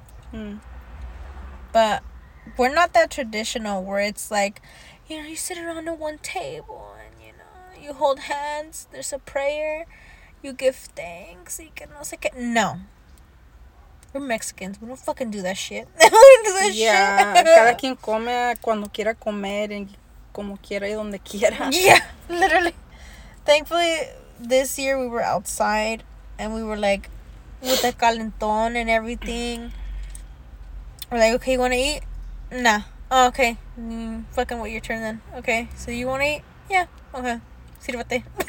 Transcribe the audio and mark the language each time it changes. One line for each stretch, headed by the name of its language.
English: But we're not that traditional where it's, like, you know, you sit around one table and, you know, you hold hands, there's a prayer, you give thanks, you can also get... No. We're Mexicans. We don't fucking do that shit. Yeah.
Spanish: Cada quien come cuando quiera comer y como quiera y donde quiera.
English: Yeah, literally. Thankfully, this year we were outside and we were like with the calentón and everything. We're like, okay, you want to eat? Nah. Oh, okay. Fucking wait your turn then. Okay, so you want to eat? Yeah. Okay.
Spanish: Sirvete.